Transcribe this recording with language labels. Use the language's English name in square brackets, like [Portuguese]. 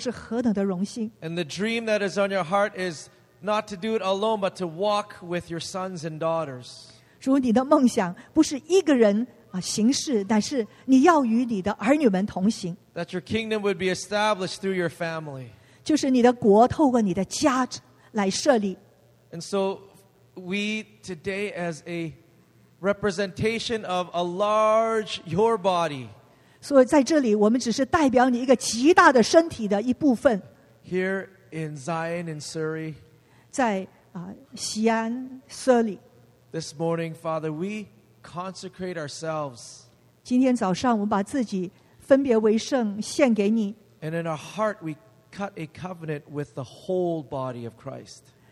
[English] And the dream that is on your heart is not to do it alone, but to walk with your sons and daughters. [Chinese] 主，你的梦想不是一个人行事，乃是你要与你的儿女们同行。 [English] That your kingdom would be established through your family. [Chinese] 就是你的国透过你的家来设立。 [English] And so we today as a representation of a large your body. [Chinese] 所以在这里我们只是代表你一个极大的身体的一部分。 [English] Here in Zion in Surrey. [Chinese] 在西安设立。 [English] This morning, Father, we consecrate ourselves. [Chinese] 今天早上我们把自己分别为圣献给你。 [English] And in our heart, we cut a covenant with the whole body of Christ.